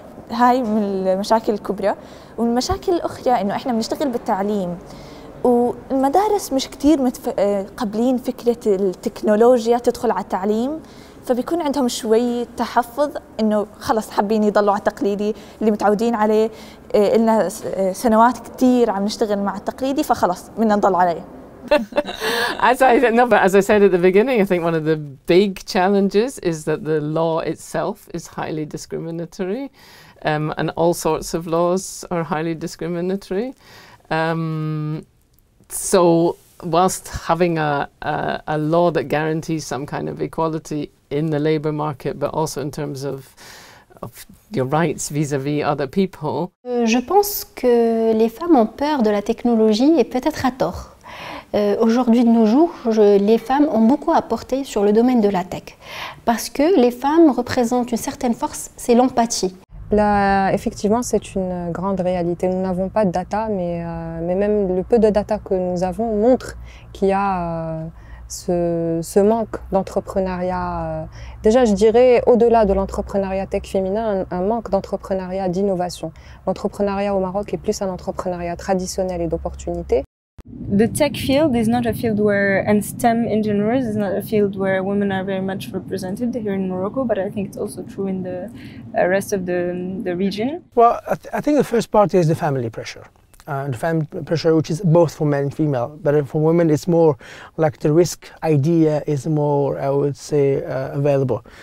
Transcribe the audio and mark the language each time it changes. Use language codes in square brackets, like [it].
[ar] هاي من المشاكل الكبرى. والمشاكل الأخرى إنه إحنا بنشتغل بالتعليم والمدارس مش كتير قابلين فكرة التكنولوجيا تدخل على التعليم، فبيكون عندهم شوي تحفظ إنه خلص حابين يضلوا على التقليدي اللي متعودين عليه، إلنا سنوات كتير عم نشتغل مع التقليدي فخلص بدنا نضل عليه. [en] As I said at the beginning, I think one of the big challenges is that the law itself is highly discriminatory, and all sorts of laws are highly discriminatory. So whilst having a law that guarantees some kind of equality in the labour market, but also in terms of your rights vis-à-vis other people. [fr] Je pense que les femmes ont peur de la technologie et peut-être à tort. Aujourd'hui, de nos jours, les femmes ont beaucoup apporté sur le domaine de la tech. Parce que les femmes représentent une certaine force, c'est l'empathie. Là, effectivement, c'est une grande réalité. Nous n'avons pas de data, mais même le peu de data que nous avons montre qu'il y a ce manque d'entrepreneuriat. Déjà, je dirais, au-delà de l'entrepreneuriat tech féminin, un manque d'entrepreneuriat d'innovation. L'entrepreneuriat au Maroc est plus un entrepreneuriat traditionnel et d'opportunité. [en] The tech field is not a field where, and STEM in general is not a field where women are very much represented here in Morocco, but I think it's also true in the rest of the region. Well, I think the first part is the family pressure. The family pressure, which is both for men and female, but for women it's more like the risk idea is more, I would say, available.